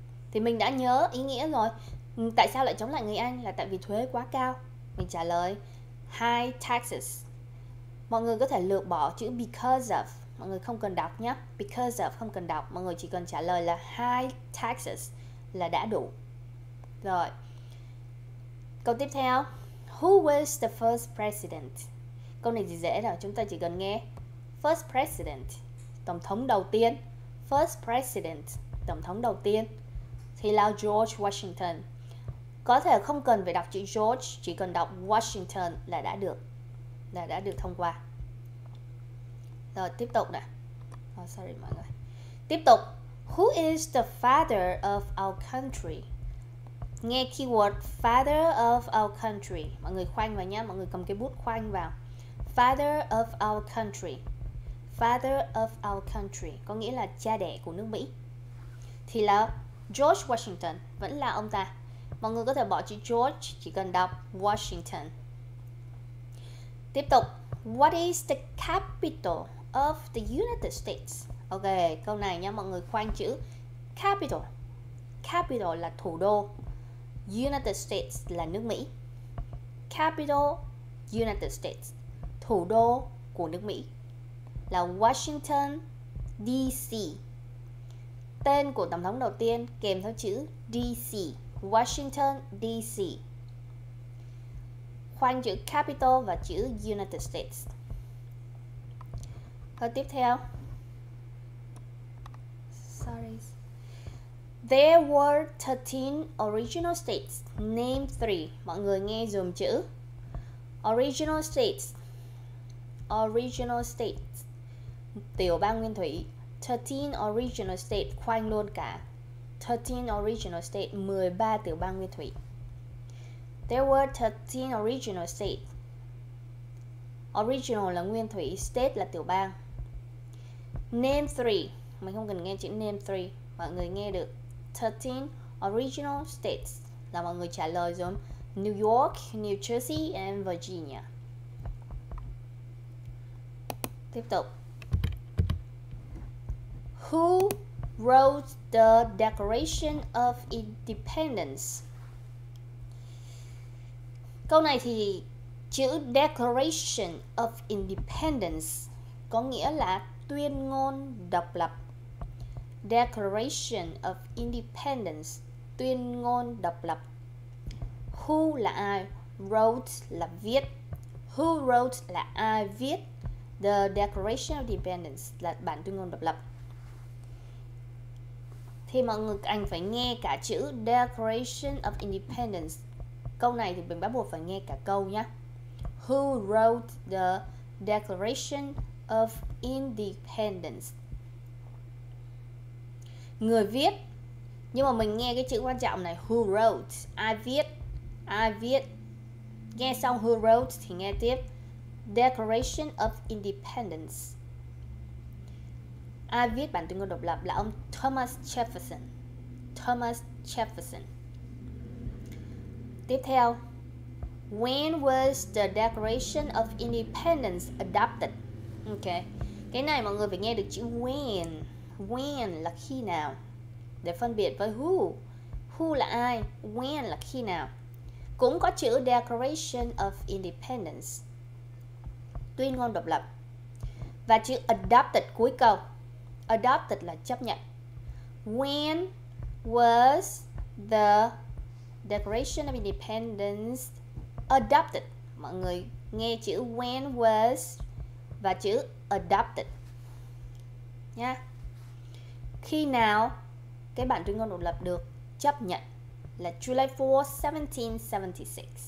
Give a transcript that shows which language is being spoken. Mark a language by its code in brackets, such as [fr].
[vi] Thì mình đã nhớ ý nghĩa rồi. Tại sao lại chống lại người Anh? Là tại vì thuế quá cao. Mình trả lời high taxes. Mọi người có thể lược bỏ chữ because of. Mọi người không cần đọc nhé. Because of không cần đọc. Mọi người chỉ cần trả lời là high taxes là đã đủ. Rồi. Câu tiếp theo. [en] Who was the first president? [vi] Câu này thì dễ rồi. Chúng ta chỉ cần nghe first president. Tổng thống đầu tiên. First president. Tổng thống đầu tiên. Thì là George Washington. Có thể không cần phải đọc chữ George, chỉ cần đọc Washington là đã được. Là đã được thông qua. Rồi tiếp tục nè. [en] Oh, sorry [vi] mọi người. Tiếp tục. [en] Who is the father of our country? Nghe keyword father of our country. [vi] Mọi người khoanh vào nhé. Mọi người cầm cái bút khoanh vào. Father of our country. Father of our country có nghĩa là cha đẻ của nước Mỹ. Thì là George Washington, vẫn là ông ta. Mọi người có thể bỏ chữ George, chỉ cần đọc Washington. Tiếp tục. [en] What is the capital of the United States? [vi] Ok, câu này nha, mọi người khoanh chữ capital. Capital là thủ đô. United States là nước Mỹ. Capital, United States. Thủ đô của nước Mỹ là Washington DC. Tên của tổng thống đầu tiên kèm theo chữ DC. Washington DC. Khoanh chữ capital và chữ United States. Câu tiếp theo. [en] Sorry. There were 13 original states. Name 3. [vi] Mọi người nghe dùm chữ original states. Original states. Tiểu bang nguyên thủy. 13 original states, khoanh luôn cả. 13 original states, 13 tiểu bang nguyên thủy. [en] There were 13 original states. [vi] Original là nguyên thủy, state là tiểu bang. Name 3, mình không cần nghe chữ name 3, mọi người nghe được. 13 original states, là mọi người trả lời giống New York, New Jersey and Virginia. Tiếp tục. [en] Who wrote the Declaration of Independence? [vi] Câu này thì chữ Declaration of Independence có nghĩa là tuyên ngôn độc lập. Declaration of Independence, tuyên ngôn độc lập. Who là ai? Wrote là viết. Who wrote là ai viết the Declaration of Independence là bản tuyên ngôn độc lập. Thì mọi người anh phải nghe cả chữ Declaration of Independence. Câu này thì mình bắt buộc phải nghe cả câu nhé. [en] Who wrote the Declaration of Independence? [vi] Người viết. Nhưng mà mình nghe cái chữ quan trọng này. Who wrote? Ai viết? Ai viết? Nghe xong who wrote thì nghe tiếp. [en] Declaration of Independence. [vi] Ai viết bản tuyên ngôn độc lập là ông Thomas Jefferson. Thomas Jefferson. Tiếp theo. [en] When was the Declaration of Independence adopted? Ok. [vi] Cái này mọi người phải nghe được chữ when. When là khi nào? Để phân biệt với who. Who là ai? When là khi nào? Cũng có chữ Declaration of Independence. Tuyên ngôn độc lập. Và chữ adopted cuối câu. Adopted là chấp nhận. [en] When was the Declaration of Independence adopted? [vi] Mọi người nghe chữ when was và chữ adopted. Nha. Khi nào cái bản tuyên ngôn độc lập được chấp nhận là July 4, 1776.